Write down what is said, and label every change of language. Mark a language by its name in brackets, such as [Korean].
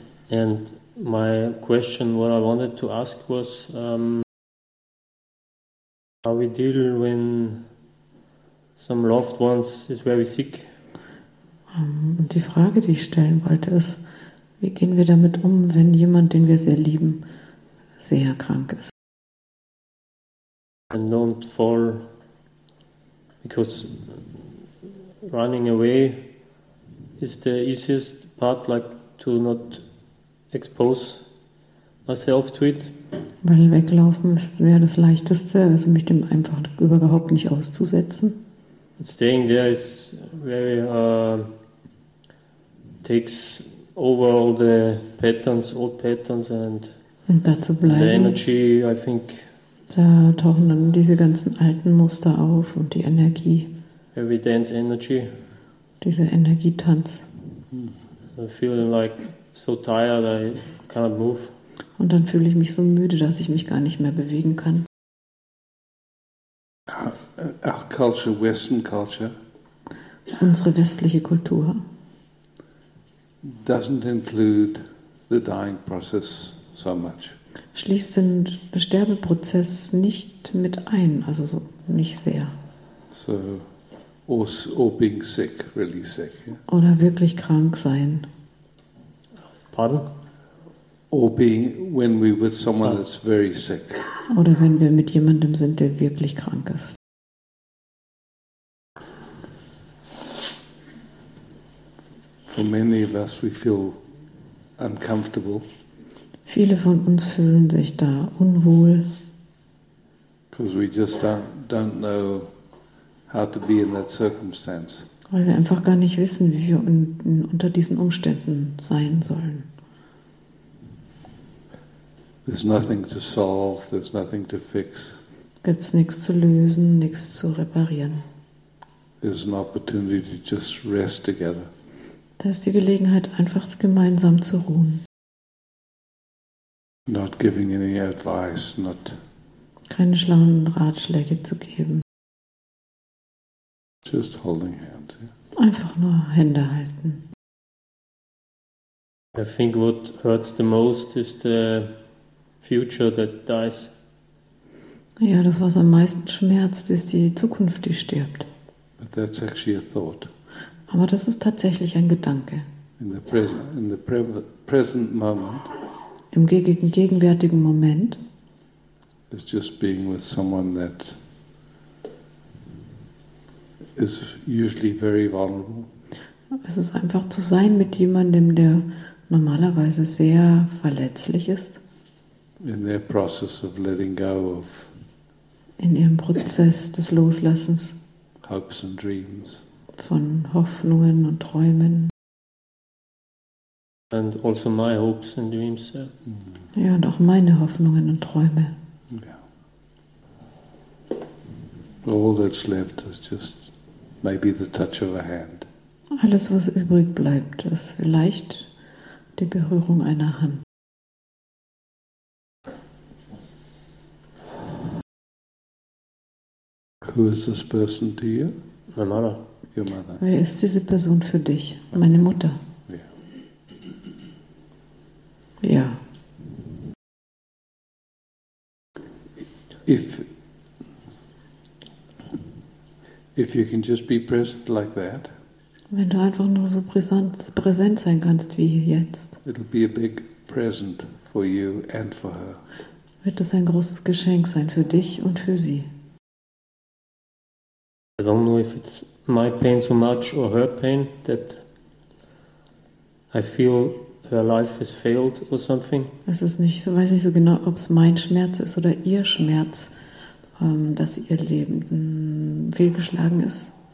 [English] And my question, what I wanted to ask was, how we deal when some loved ones is very sick. [German] Und die Frage, die ich stellen wollte, ist, wie gehen wir damit um, wenn jemand, den wir sehr lieben, sehr krank ist? [English] And don't fall, because running away is the easiest part, like to not expose myself to it. [German] Weil weglaufen wäre das Leichteste, also mich dem einfach überhaupt nicht auszusetzen. [English] But staying there is very takes over all the patterns, old patterns, [German] und dazu bleiben, [English] and the energy, I think. [German] Da tauchen dann diese ganzen alten Muster auf und die Energie. [English] Every dance energy. [German] Diese Energietanz. [English] I feel like so tired, I cannot move. [German] Und dann fühle ich mich so müde, dass ich mich gar nicht mehr bewegen kann. [English] Our culture, Western culture. [German] Unsere westliche Kultur. [English] Doesn't include the dying process so much. [German] Schließt den Sterbeprozess nicht mit ein, also so nicht sehr. [English] So, or being sick, really sick. Yeah? [German] Oder wirklich krank sein. [English] Pardon? Or being when we with someone that's very sick. [German] Oder wenn wir mit jemandem sind, der wirklich krank ist. [English] For many of us, we feel uncomfortable. [German] Viele von uns fühlen sich da unwohl. [English] Because we just don't know how to be in that circumstance. [German] Weil wir einfach gar nicht wissen, wie wir unter diesen Umständen sein sollen. [English] There's nothing to solve. There's nothing to fix. [German] Gibt's nichts zu lösen, nichts zu reparieren. [English] There's an opportunity to just rest together. [German] Da ist die Gelegenheit, einfach gemeinsam zu ruhen. [English] Not giving any advice, not. [German] Keine schlauen Ratschläge zu geben. [English] Just holding hands. Yeah. [German] Einfach nur Hände halten. [English] I think what hurts the most is the future that dies. [German] Ja, das was am meisten schmerzt, ist die Zukunft, die stirbt. [English] But that's actually a thought. [German] Aber das ist tatsächlich ein Gedanke. [English] In the present moment. [German] Im gegenwärtigen Moment. [English] It's just being with someone that is usually very vulnerable. [German] Es ist einfach zu sein mit jemandem, der normalerweise sehr verletzlich ist. [English] In their process of letting go of. [German] In ihrem Prozess des Loslassens. [English] Hopes and dreams. [German] Von Hoffnungen und Träumen. [English] And also my hopes and dreams. So. [German] Ja, und auch meine Hoffnungen und Träume. [English] Yeah. All that's left is just maybe the touch of a hand. [German] Alles, was übrig bleibt, ist vielleicht die Berührung einer Hand. [English] Who is this person to you? My mother. Your mother. [German] Wer ist diese Person für dich? Meine Mutter. Ja. [English] If you can just be present like that. [German] Wenn du einfach nur so präsent sein kannst wie jetzt. [English] It'll be a big present for you and for her. [German] Wird es ein großes Geschenk sein für dich und für sie. [English] I don't know if it's my pain so much or her pain that I feel. Her life has failed or something. [German] Es ist nicht, so weiß nicht so genau, ob es mein Schmerz ist oder ihr Schmerz, dass ihr Leben fehlgeschlagen ist.